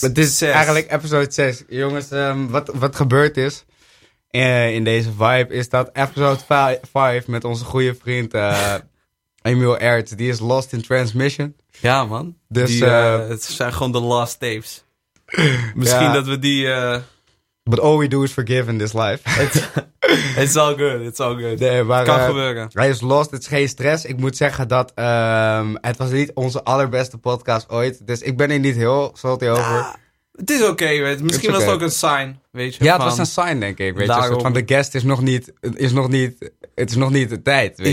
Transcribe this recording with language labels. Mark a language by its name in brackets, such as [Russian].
[Dutch] Het is eigenlijk episode 6. Jongens, wat gebeurd is in deze vibe is dat episode 5 met onze goede vriend Emil Ertz, die is [English] lost in transmission. [Dutch] Ja, man. Dus, het zijn gewoon de lost tapes. Misschien dat we die... [English] But all we do is forgive in this life. It's all good, it's all good. [Dutch] Nee, maar, het kan gebeuren. Hij is lost, het is geen stress. Ik moet zeggen dat het was niet onze allerbeste podcast ooit. Dus ik ben er niet heel salty over. Het is oké, misschien was het ook een sign, weet je. Ja, het was een sign, denk ik. Weet je, een soort van de guest is nog niet... Het is nog niet de tijd, weet je.